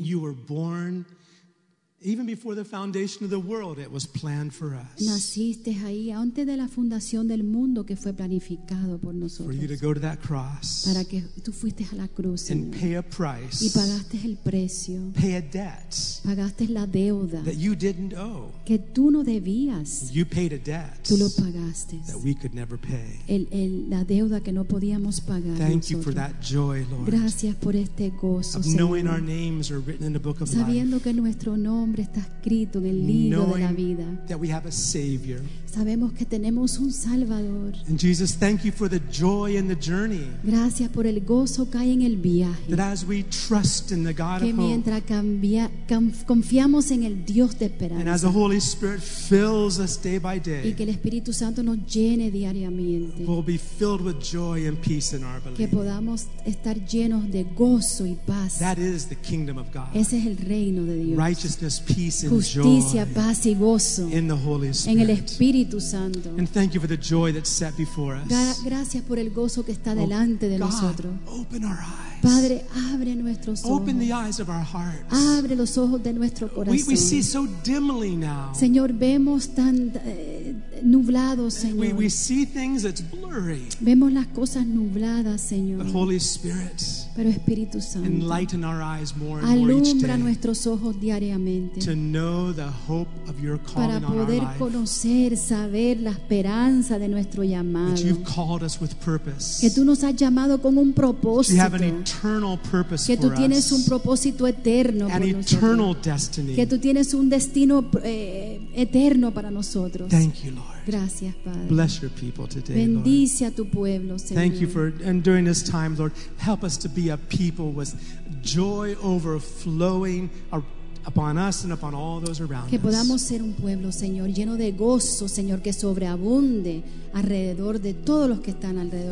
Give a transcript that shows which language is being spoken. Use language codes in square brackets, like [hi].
[en] You were born even before the foundation of the world, it was planned for us. [es] Naciste ahí antes de la fundación del mundo que fue planificado por nosotros. [en] For you to go to that cross. [es] Para que tú fuiste a la cruz. [en] And pay a price. [es] Y pagaste el precio. [en] Pay a debt. [es] Pagaste la deuda. [en] That you didn't owe. [es] Que tú no debías. [en] You paid a debt. [es] Tú lo pagaste. [en] That we could never pay. [es] La deuda que no podíamos pagar. [en] Thank [es] nosotros. [en] You for that joy, Lord. [es] Gracias por este gozo, Señor. [en] Knowing our names are written in the book of life. [es] Sabiendo que nuestro nombre está escrito en el libro de la vida. [en] That we have a Savior. [es] Sabemos que tenemos un Salvador. [en] And Jesus, thank you for the joy in the journey. [es] Gracias por el gozo que hay en el viaje. [en] That as we trust in the God [es] que mientras [en] hope, [es] confiamos en el Dios de esperanza. [en] And as the Holy Spirit fills us day by day. [es] Y que el Espíritu Santo nos llene diariamente. [en] We'll be filled with joy and peace in our belief. [es] Que podamos estar llenos de gozo y paz. [en] That is the kingdom of God. [es] Ese es el reino de Dios. [en] Righteousness, peace, and [es] justicia, [en] joy [es] paz y gozo [en] in the Holy Spirit. [es] En el Espíritu Santo. [en] And thank you for the joy that's set before us. [es] Gracias por el gozo que está delante de nosotros. [en] Open our eyes. [es] Padre, abre nuestros ojos. [en] Open the eyes of our hearts. [es] Abre los ojos de nuestro corazón. [en] We see so dimly now. [es] Señor, vemos tan nublado, Señor. [en] We see things that's blurry. [es] Vemos las cosas nubladas, Señor. [en] But Holy Spirit, [es] pero Espíritu Santo, [en] enlighten our eyes more and [es] alumbra [en] more each day [es] nuestros ojos diariamente. [en] To know the hope of your calling [es] para poder [en] on our [es] conocer [en] life. [es] Saber la esperanza de nuestro llamado. [en] That you've called us with purpose. [es] Que tú nos has llamado con un propósito. [en] You have an eternal purpose [es] que tú [en] for [es] tienes [en] us. [es] Un propósito eterno [en] an [es] por [en] eternal [es] nosotros. [en] Destiny. [es] Que tú tienes un destino eterno para nosotros. [en] Thank you, Lord. [es] Gracias, Padre. [en] Bless your people today, [es] bendice [en] Lord. [es] A tu pueblo, Señor. [en] Thank you for enduring this time, Lord. Help us to be a people with joy overflowing upon us and upon all those around us. [es] Que podamos ser un pueblo, Señor, lleno de gozo, Señor, que sobreabunde alrededor de todos los que están alrededor